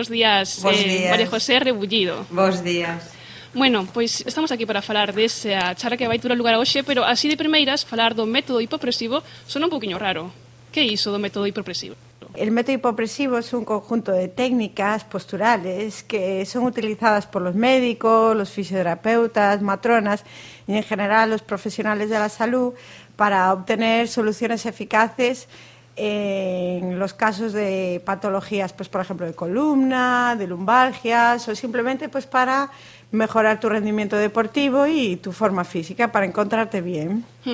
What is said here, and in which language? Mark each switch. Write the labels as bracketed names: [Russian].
[Galician] Bos días, María José Rebullido. Bos días. Bueno, pois estamos aquí para falar desa charla que vai ter lugar hoxe, pero así de primeiras, falar do método hipopresivo son un poquinho raro. Que é iso do método hipopresivo? [Spanish] El método hipopresivo es un conjunto de técnicas posturales que son utilizadas por los médicos, los fisioterapeutas, matronas y en general los profesionales de la salud para obtener soluciones eficaces en los casos de patologías, pues por ejemplo, de columna, de lumbalgias o simplemente pues para mejorar tu rendimiento deportivo y tu forma física para encontrarte bien.